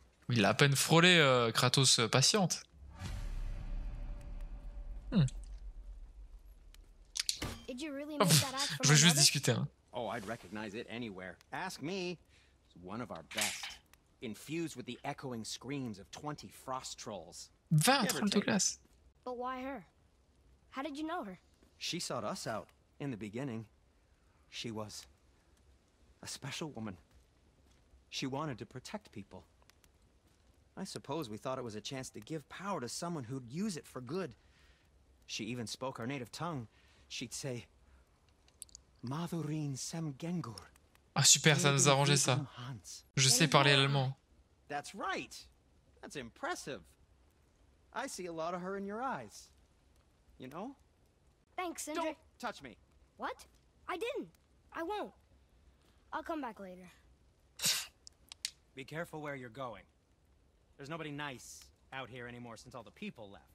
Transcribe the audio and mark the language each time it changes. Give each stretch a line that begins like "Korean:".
French: Il a à peine frôlé Kratos patiente.
English: Did you really make that ask
French: Je veux juste discuter. Hein.
English: Oh, I'd recognize it anywhere. Ask me. It's one of our best. Infused with the echoing screams of 20 frost trolls.
French: 20 trolls de glace.
English: But why her? How did you know her? She sought us out in the beginning. She was a special woman. She wanted to protect people. I suppose we thought it was a chance to give power to someone who'd use it for good. She even spoke our native tongue. She'd say, "Mathurin Samgengur."
French: Ah super, ça nous a arrangé ça. Je sais parler allemand.
English: That's right. That's impressive. I see a lot of her in your eyes. You know? Thanks, Sindri. Don't touch me. What? I didn't. I won't. I'll come back later. Be careful where you're going. There's nobody nice out here anymore since all the people left.